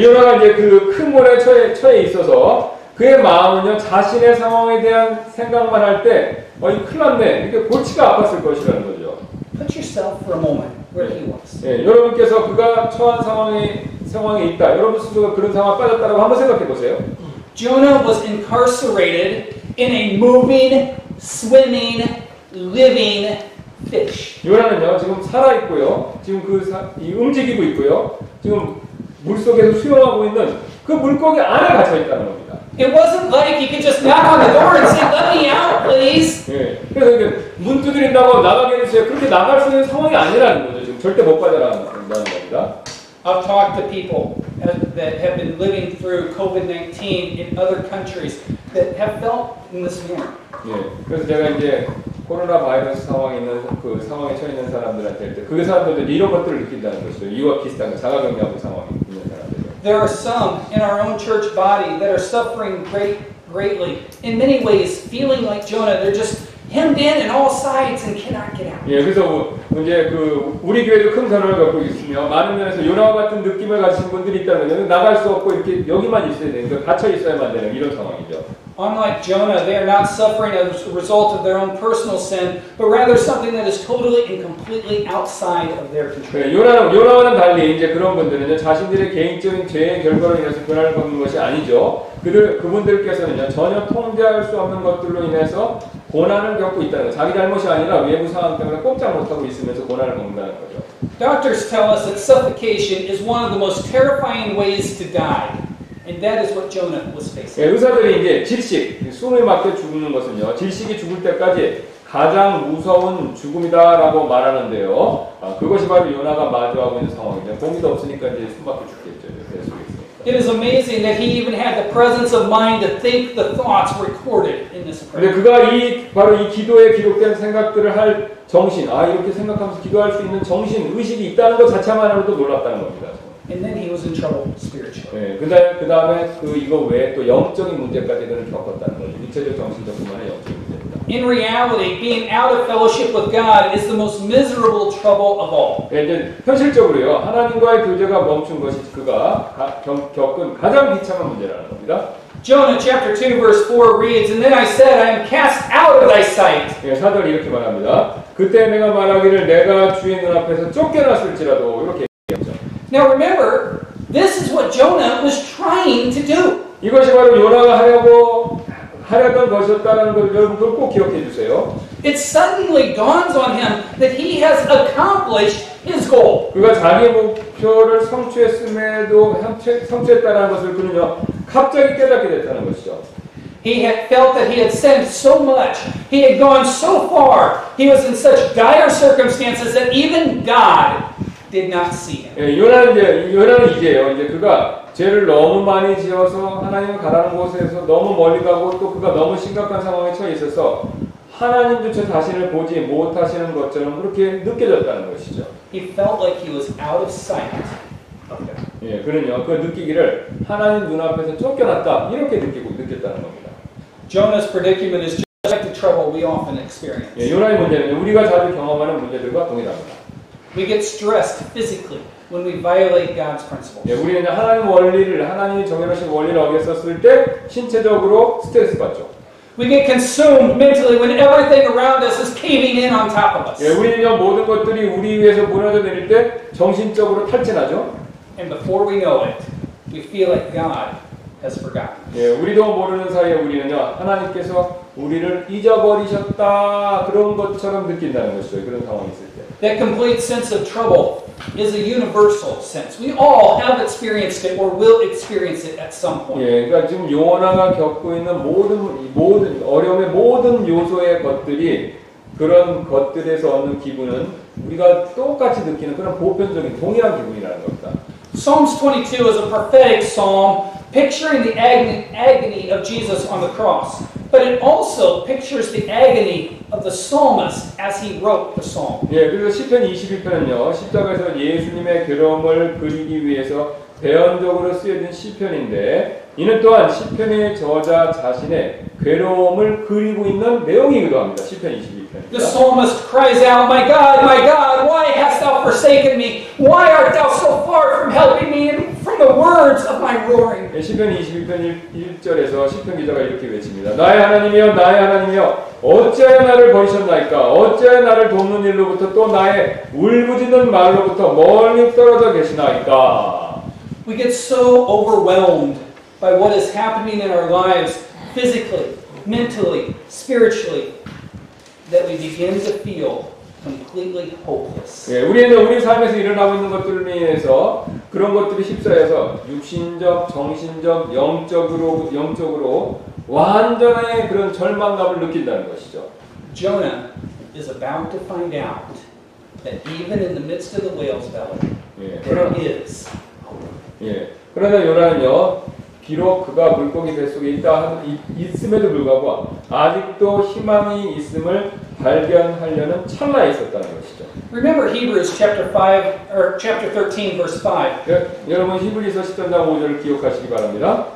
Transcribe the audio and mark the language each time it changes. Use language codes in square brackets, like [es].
[ko] 예, 요나가 이제 그 큰 고난에 처해 있어서 그의 마음은요 자신의 상황에 대한 생각만 할 때 어이 큰일 났네 이렇게 골치가 아팠을 것이라는 거죠. [en] Put yourself for a moment. Where he was. [ko] 예, 여러분께서 그가 처한 상황에 있다. 여러분 스스로가 그런 상황에 빠졌다라고 한번 생각해 보세요. [en] Jonah was incarcerated in a moving, swimming, living fish. [ko] 요나는요, 지금 살아 있고요. 지금 움직이고 있고요. 지금 물속에서 수영하고 있는 그 물고기 안에 갇혀 있다는 겁니다. [en] It wasn't like he could just knock on the door and say, "Let me out, please." [ko] 예, 그래서 문 두드린다고 나가게 해주세요. 그렇게 나갈 수 있는 상황이 아니라는 거죠. 지금 절대 못 빠져나간다는 겁니다. [en] I've talked to people that have been living through COVID-19 in other countries that have felt in this manner. [ko] 예, 그래서 제가 이제 코로나 바이러스 상황에 있는 그 상황에 처해 있는 사람들한테 그 사람들도 이런 것들을 느낀다는 것이죠. 이와 비슷한 자가격리하고 상황에 있는 사람들. [en] There are some in our own church body that are suffering greatly in many ways, feeling like Jonah. They're just hemmed in all sides and cannot get out. [ko] 예, 그래서 이제 그 우리 교회도 큰 사람을 갖고 있으며 많은 면에서 요나와 같은 느낌을 가진 분들이 있다면 나갇 수 없고 이렇게 여기만 있어야 되는 그 갇혀 있어야만 되는 이런 상황이죠. [en] Unlike Jonah, they are not suffering as a result of their own personal sin, but rather something that is totally and completely outside of their control. [ko] 요나와는 달리 이제 그런 분들은 자신들의 개인적인 죄의 결과로 인해서 변화를 받는 것이 아니죠. 그분들께서는 전혀 통제할 수 없는 것들로 인해서 고난을 겪고 있다는 자기 잘못이 아니라 외부 상황 때문에 꼼짝 못하고 있으면서 고난을 겪는다는 거죠. [en] Doctors tell us that suffocation is one of the most terrifying ways to die. And that is what Jonah was facing. [ko] 예, 의사들이 이제 질식, 숨을 막혀 죽는 것은요, 질식이 죽을 때까지 가장 무서운 죽음이다라고 말하는데요. 아, 그것이 바로 요나가 마주하고 있는 상황이죠. 공기도 없으니까 이제 숨 막혀 죽겠죠. [en] 예, It is amazing that he even had the presence of mind to think the thoughts recorded in this prayer. [ko] 근데 그가 바로 이 기도에 기록된 생각들을 할 정신, 아 이렇게 생각하면서 기도할 수 있는 정신, 의식이 있다는 것 자체만으로도 놀랐다는 겁니다. [en] And then he was in trouble spiritually. [ko] 예, 그다음에 그 이거 외에 또 영적인 문제까지 그는 겪었다는 거죠. 육체적, 정신적뿐만 아니라 영적인 문제입니다. [en] In reality, being out of fellowship with God is the most miserable trouble of all. [ko] 예, 이제 현실적으로요, 하나님과의 교제가 멈춘 것이 그가 겪은 가장 비참한 문제라는 겁니다. [en] Jonah chapter 2 verse 4 reads, And then I said, I am cast out of thy sight. [ko] 예, 사도는 이렇게 말합니다. 그때 내가 말하기를 내가 주의 눈앞에서 쫓겨났을지라도 이렇게 얘기했죠. [en] Now remember, this is what Jonah was trying to do. [ko] 이것이 바로 요나가 하려던 것이었다는 걸 여러분들 꼭 기억해 주세요. [en] It suddenly dawns on him that he has accomplished his goal. [ko] 그가 자기 목표를 성취했음에도 성취했다는 것을 그는요 갑자기 깨닫게 됐다는 것이죠. [en] He had felt that he had sinned so much. He had gone so far. He was in such dire circumstances that even God. Did not see him. [ko] 예, 요나는 이제요. 이제 그가 죄를 너무 많이 지어서 하나님 가라는 곳에서 너무 멀리 가고 또 그가 너무 심각한 상황에 처해 있어서 하나님조차 자신을 보지 못하시는 것처럼 그렇게 느껴졌다는 것이죠. [en] He felt like he was out of sight. Okay. [ko] 예, 그는요. 그 느끼기를 하나님 눈앞에서 쫓겨났다. 이렇게 느꼈다는 겁니다. [en] Jonah's predicament is just like the trouble we often experience. [ko] 예, 요나의 문제는 우리가 자주 경험하는 문제들과 동일합니다. [en] We get stressed physically when we violate God's principles. [ko] 예, 우리는 하나님 원리를 하나님이 정해놓으신 원리를 어겼었을 때 신체적으로 스트레스 받죠. [en] We get consumed mentally when everything around us is caving in on top of us. [ko] 예, 우리는 모든 것들이 우리 위에서 무너져 내릴 때 정신적으로 탈진하죠. [en] And before we know it, we feel like God has forgotten. [ko] 예, 우리도 모르는 사이에 우리는 하나님께서 우리를 잊어버리셨다 그런 것처럼 느낀다는 것이죠. 그런 상황이 있을 때. [en] That complete sense of trouble is a universal sense. We all have experienced it or will experience it at some point. [ko] 예, 그러니까 지금 요나가 겪고 있는 모든 어려움의 모든 요소의 것들이 그런 것들에서 얻는 기분은 우리가 똑같이 느끼는 그런 보편적인 동일한 기분이라는 겁니다. [en] Psalms 22 is a prophetic psalm picturing the agony of Jesus on the cross. But it also pictures the agony of the psalmist as he wrote the psalm. [ko] 예, 그래서 시편 21편은요, 십자가에서 예수님의 괴로움을 그리기 위해서 대언적으로 쓰여진 시편인데, 이는 또한 시편의 저자 자신의 괴로움을 그리고 있는 내용이기도 합니다. 시편 21편. [en] The psalmist cries out, "My God, my God, why hast thou forsaken me? Why art thou so far from helping me?" The words of my roaring. [ko] 시편 21편 1절에서 시편 기자가 이렇게 외칩니다. 나의 하나님이여, 나의 하나님이여, 어찌하여 나를 버리셨나이까? 어찌하여 나를 돕는 일로부터 또 나의 울부짖는 말로부터 멀리 떨어져 계시나이까? [en] We get so overwhelmed by what is happening in our lives, physically, mentally, spiritually, that we begin to feel. Completely hopeless. [ko] 예, 우리는 우리 삶에서 일어나고 있는 것들을 위해서 그런 것들이 휩싸여서 육신적, 정신적, 영적으로 완전한 그런 절망감을 느낀다는 것이죠. [en] Jonah is about to find out that even in the midst of the whale's belly, there is hope. [ko] 예, 그러나 요나는요 비록 그가 물고기 배 속에 있다 하는 있음에도 불구하고 아직도 희망이 있음을 발견하려는 찰나 있었다는 것이죠. [en] Remember Hebrews chapter 5 or chapter 13 verse 5. [ko] 여러분 히브리서 13장 5절을 기억하시기 바랍니다.